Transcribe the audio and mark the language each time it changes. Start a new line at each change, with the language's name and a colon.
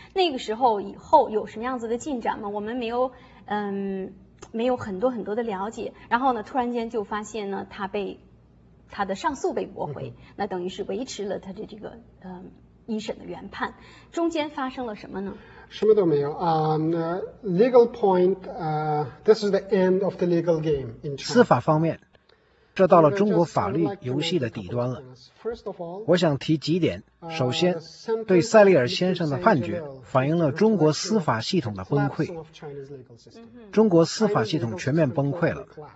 Chinese: 那个时候以后有什么样子的进展吗？我们没有很多很多的了解，然后呢突然间就发现呢他的上诉被驳回，那等于是维持了他的这个一审的原判。中间发生了什么呢？什么都没有啊。
English: Legal point, this is the end of the legal game in China。
Chinese: 司法方面，这到了中国法律游戏的底端了。我想提几点。首先，对塞利尔先生的判决反映了中国司法系统的崩溃。中国司法系统全面崩溃了。